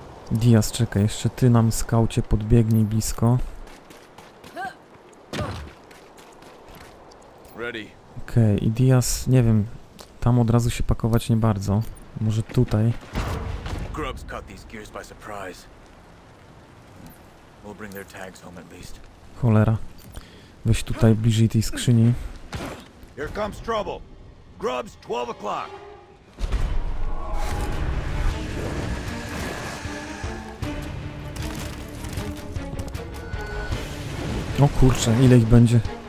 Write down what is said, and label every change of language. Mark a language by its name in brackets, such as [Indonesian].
[Polish] Diaz, czekaj, jeszcze ty nam, skaucie, podbiegnij blisko. [English] Ready. [Polish] Okej, i Diaz, nie wiem, tam od razu się pakować nie bardzo. Może tutaj. [English] Grubbs caught these gears by surprise. We'll bring their tags home at least. [Polish] Cholera. Weź tutaj bliżej tej skrzyni. [English] Here comes trouble. Grubbs, 12 o'clock. [Polish] O kurczę, ile ich będzie.